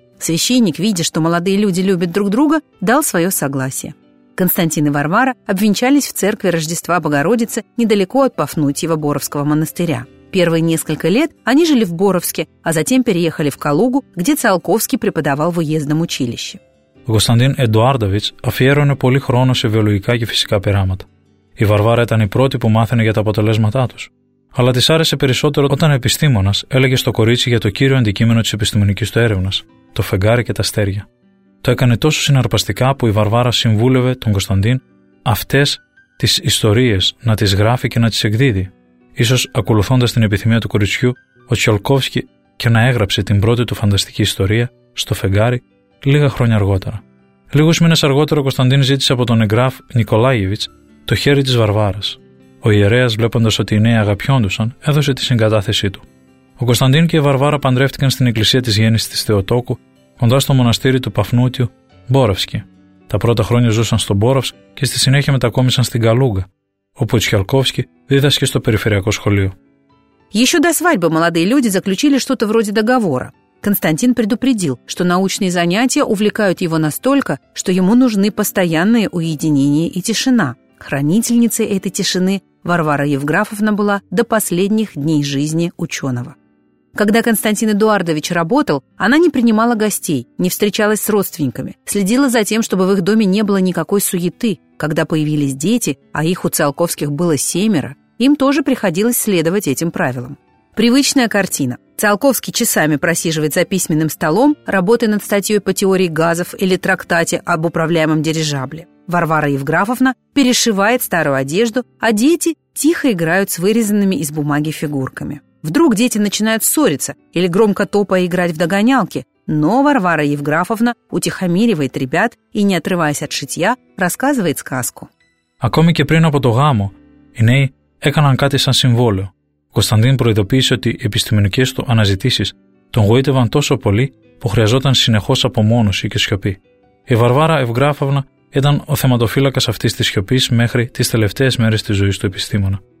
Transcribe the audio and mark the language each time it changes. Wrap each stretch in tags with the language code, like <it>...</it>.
<ru>Священник, видя, что молодые люди любят друг друга, дал свое согласие. Константин и Варвара обвенчались в церкви Рождества Богородицы недалеко от Пафнутьева Боровского монастыря. Первые несколько лет они жили в Боровске, а затем переехали в Калугу, где Циолковский преподавал в уездном училище.</ru> <el>Константин Эдуардович αφιέρωνε πολύ χρόνο σε βιολογικά και φυσικά πειράματα. Η Βαρβάρα ήταν η πρώτη που μάθαινε για τα αποτελέσματά τους. Αλλά της άρεσε περισσότερο όταν ο επιστήμονας έλεγε στο κορίτσι για το κύριο αντικείμενο της επιστημονικής του έρευνας, το φεγγάρι και τα αστέρια. Το έκανε τόσο συναρπαστικά που η Βαρβάρα συμβούλευε τον Κωνσταντίν αυτές τις ιστορίες να τις γράφει και να τις εκδίδει, ίσως ακολουθώντας την επιθυμία του κοριτσιού, ο Τσιολκόφσκι και να έγραψε την πρώτη του φανταστική ιστορία στο φεγγάρι λίγα χρόνια αργότερα. Λίγους μήνες αργότερα ο Κωνσταντίν ζήτησε από τον Εγγράφ Νικολάγεβιτς το χέρι της Βαρβάρας. Ο ιερέας, βλέποντας ότι οι νέοι αγαπιόντουσαν, έδωσε τη συγκατάθεσή του. Ο Κωνσταντίν και η Βαρβάρα παντρεύτηκαν στην εκκλησία της γέννησης της Θεοτόκου, κοντά στο μοναστήρι του Παφνούτιου, Μπόρευσκι. Τα πρώτα χρόνια ζούσαν στον Μπόρευσκ και στη συνέχεια μετακόμισαν στην Καλούγκα, όπου ο Τσιολκόφσκι δίδασκε στο περιφερειακό σχολείο.</el> <ru>Еще до свадьбы молодые люди заключили что-то вроде договора. Константин предупредил, что научные занятия увлекают его настолько, что ему нужны постоянные уединение и тишина. Хранительницей этой тишины Варвара Евграфовна была до последних дней жизни ученого. Когда Константин Эдуардович работал, она не принимала гостей, не встречалась с родственниками, следила за тем, чтобы в их доме не было никакой суеты. Когда появились дети, а их у Циолковских было семеро, им тоже приходилось следовать этим правилам. Привычная картина. Циолковский часами просиживает за письменным столом, работая над статьей по теории газов или трактате об управляемом дирижабле. Варвара Евграфовна перешивает старую одежду, а дети тихо играют с вырезанными из бумаги фигурками. Вдруг дети начинают ссориться или громко топая играть в догонялки, но Варвара Евграфовна утихомиривает ребят и, не отрываясь от шитья, рассказывает сказку.</ru> <el>Ακόμη και πριν από το γάμο, οι νέοι έκαναν κάτι σαν συμβόλαιο. Κωνσταντίν προειδοποίησε ότι οι επιστημονικές του αναζητήσεις τον γοήτευαν τόσο πολύ που χρειαζόταν συνεχώς απομόνωση και σιωπή. Η Βαρβάρα Ευγράφοβνα ήταν ο θεματοφύλακας αυτής της σιωπής μέχρι τις τελευταίες μέρες της ζωής του επιστήμονα.</el>